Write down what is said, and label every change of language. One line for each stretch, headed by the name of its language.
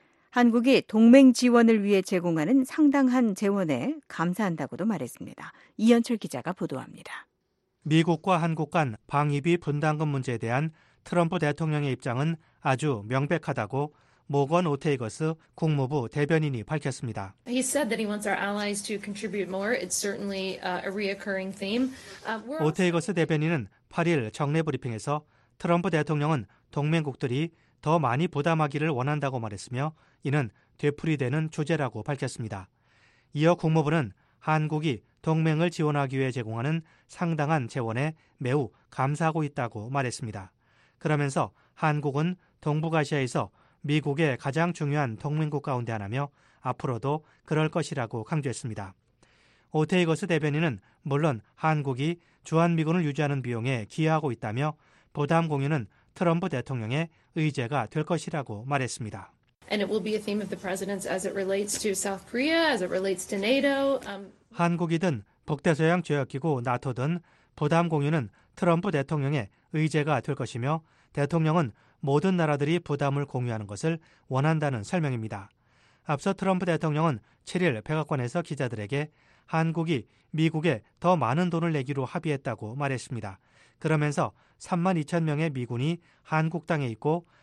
Korean: 한국이 동맹 지원을 위해 제공하는 상당한 재원에 감사한다고도 말했습니다. 이현철 기자가 보도합니다. 미국과 한국 간 방위비 분담금 문제에 대한 트럼프 대통령의 입장은 아주 명백하다고 모건 오테이거스 국무부 대변인이 밝혔습니다.
English: He said that he wants our allies to contribute more. It's certainly a reoccurring theme.
Korean: 오테이거스 대변인은 8일 정례 브리핑에서 트럼프 대통령은 동맹국들이 더 많이 부담하기를 원한다고 말했으며 이는 되풀이되는 주제라고 밝혔습니다. 이어 국무부는 한국이 동맹을 지원하기 위해 제공하는 상당한 재원에 매우 감사하고 있다고 말했습니다. 그러면서 한국은 동북아시아에서 미국의 가장 중요한 동맹국 가운데 하나며 앞으로도 그럴 것이라고 강조했습니다. 오테이거스 대변인은 물론 한국이 주한미군을 유지하는 비용에 기여하고 있다며 부담 공유는 트럼프 대통령의 의제가 될 것이라고 말했습니다.
English: And it will be a theme of the president's as it relates to South Korea, as it relates to NATO.
Korean: 한국이든 북대서양 조약기구 나토든 부담 공유는 트럼프 대통령의 의제가 될 것이며 대통령은 모든 나라들이 부담을 공유하는 것을 원한다는 설명입니다. 앞서 트럼프 대통령은 7일 백악관에서 기자들에게 한국이 미국에 더 많은 돈을 내기로 합의했다고 말했습니다. 그러면서 3만 2천 명의 미군이 한국 땅에 있고